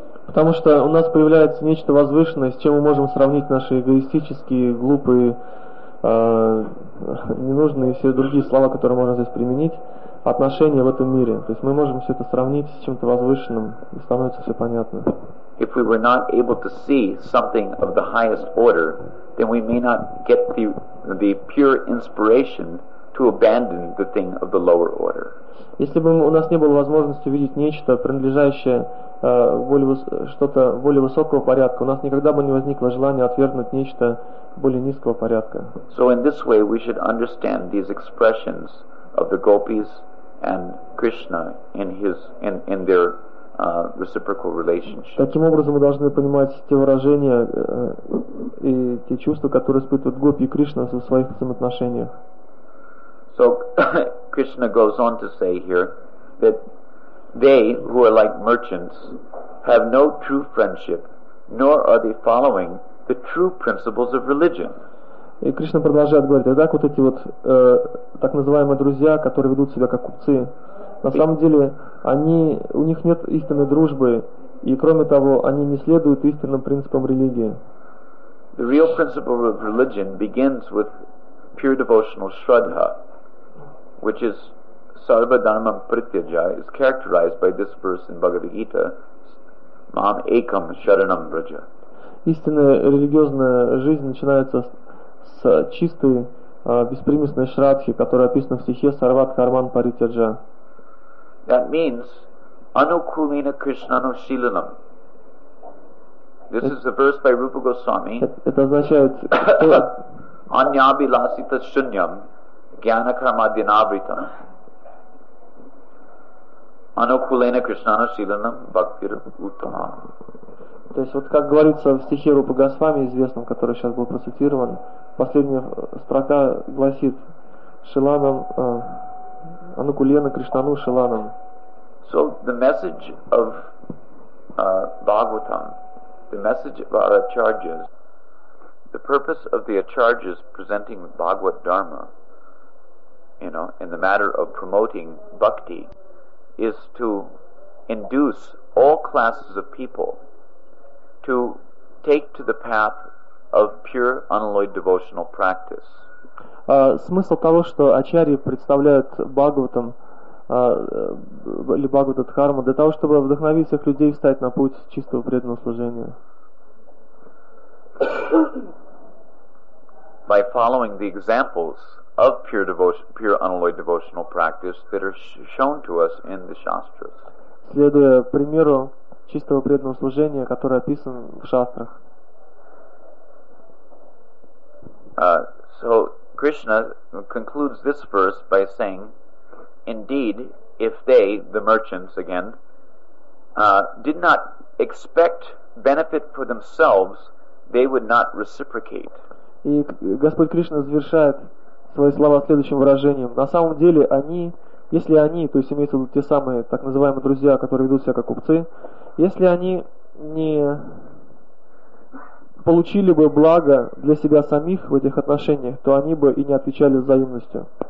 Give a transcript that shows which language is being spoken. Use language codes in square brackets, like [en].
[ru] Потому что у нас появляется нечто возвышенное, с чем мы можем сравнить наши эгоистические, глупые, ненужные и все другие слова, которые можно здесь применить. Отношения в этом мире. То есть мы можем все это сравнить с чем-то возвышенным, и становится все понятно. [en] If we were not able to see something of the highest order, then we may not get the pure inspiration to abandon the thing of the lower order. [ru] Если бы у нас не было возможности увидеть нечто, принадлежащее что-то более высокого порядка, у нас никогда бы не возникло желания отвергнуть нечто более низкого порядка. [en] So in this way we should understand these expressions of the gopis and Krishna in their reciprocal relationship. [ru] Таким образом, мы должны понимать те выражения и те чувства, которые испытывают гопи и Кришна в своих взаимоотношениях. [en] So Krishna goes on to say here that they who are like merchants have no true friendship, nor are they following the true principles of religion. [ru] И Кришна продолжает говорить, так вот эти вот так называемые друзья, которые ведут себя как купцы, на самом деле они, у них нет истинной дружбы, и кроме того, они не следуют истинным принципам религии. [en] The real principle of religion begins with pure devotional shraddha, which is [sa] sarva dharma pratyaja, [en] is characterized by this verse in Bhagavad Gita, [sa] mam ekam sharanam braja. [ru] Истинная религиозная жизнь начинается с чистой беспримесной шрадхи, которая описана в стихе [sa] Сарват Карман Паритяджа. [en] That means [sa] anukulina krishnanu shilanam. [en] This is a verse by Rupa Goswami. [ru] Это означает [sa] anyabilasita shunyam gyana karma dinavritam anukulina krishnanu shilanam bhaktir uttama. [ru] То есть вот как говорится в стихе Рупа Госвами известном, который сейчас был процитирован, последняя строка гласит [sa] Шиланам Анукулена Кришнану Шиланам. [en] So the message of Bhagavatam, the message of our acharyas, the purpose of the acharyas presenting Bhagavad Dharma, you know, in the matter of promoting bhakti, is to induce all classes of people to take to the path of pure unalloyed devotional practice. [ru] Смысл того, что ачарьи представляют Бхагаватам, или Бхагавад-дхарму, для того, чтобы вдохновить всех людей встать на путь чистого преданного служения. [en] By following the examples of pure devotion, pure unalloyed devotional practice that are shown to us in the shastras. [ru] Следуя примеру чистого преданного служения, который описан в шастрах. [en] So Krishna concludes this verse by saying, indeed, if they, the merchants again, did not expect benefit for themselves, they would not reciprocate. [ru] И Господь Кришна завершает свои слова следующим выражением. На самом деле они, если они, то есть имеются те самые так называемые друзья, которые ведут себя как купцы, если они не получили бы благо для себя самих в этих отношениях, то они бы и не отвечали взаимностью.